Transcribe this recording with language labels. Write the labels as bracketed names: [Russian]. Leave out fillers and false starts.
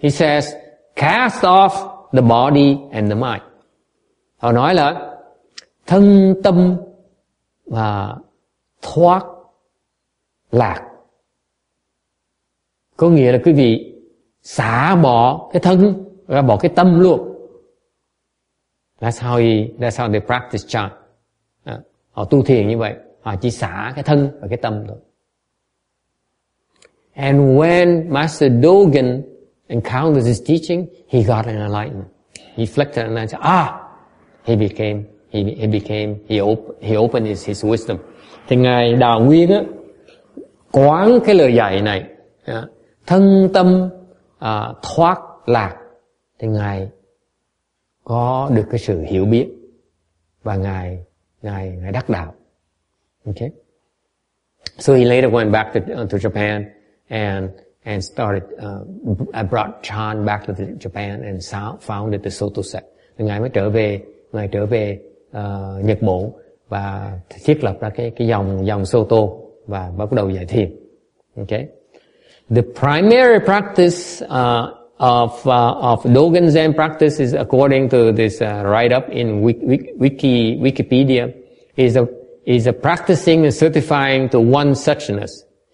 [English] He says, cast off the body and the mind. [Vietnamese] Họ nói là thân tâm và thoát lạc. Có nghĩa là quý vị xả bỏ cái thân và bỏ cái tâm luôn. [English] That's how they practice chant. [Vietnamese] Họ tu thiền như vậy, họ chỉ xả cái thân và cái tâm thôi. [English] And when Master Dogen encountered this teaching, he got an enlightenment. reflected on that. Ah, he opened his wisdom. [Vietnamese] Thì ngài Đạo Nguyên á quán cái lời dạy này, thân tâm thoát lạc, thì ngài có được cái sự hiểu biết và ngài đắc đạo. [English] Okay. So he later went back to Japan and started brought Chan back to Japan and founded the Soto sect. [Vietnamese] Thì ngài trở về Nhật Bản và thiết lập ra cái dòng Soto và bắt đầu dạy thiền. [English] Okay. The primary practice of Dogen Zen practice is according to this write-up in Wikipedia is a practicing and certifying to one suchness.